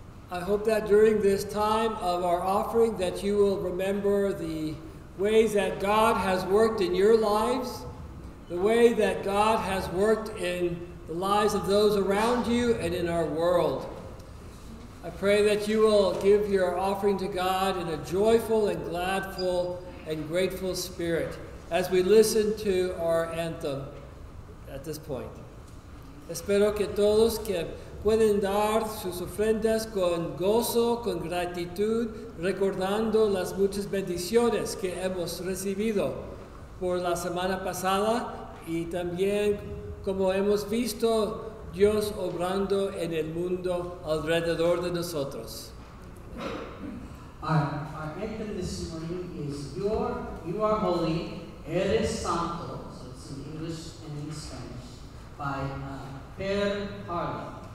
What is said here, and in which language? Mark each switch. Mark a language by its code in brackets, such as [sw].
[en] I hope that during this time of our offering that you will remember the ways that God has worked in your lives, the way that God has worked in the lives of those around you and in our world. I pray that you will give your offering to God in a joyful and gladful and grateful spirit, as we listen to our anthem at this point. [es] Espero que todos que pueden dar sus ofrendas con gozo, con gratitud, recordando las muchas bendiciones que hemos recibido por la semana pasada y también como hemos visto Dios obrando en el mundo alrededor de nosotros. [en] Our anthem this morning is You Are Holy, Eres Santo, so it's in English and in Spanish, by Per Harley.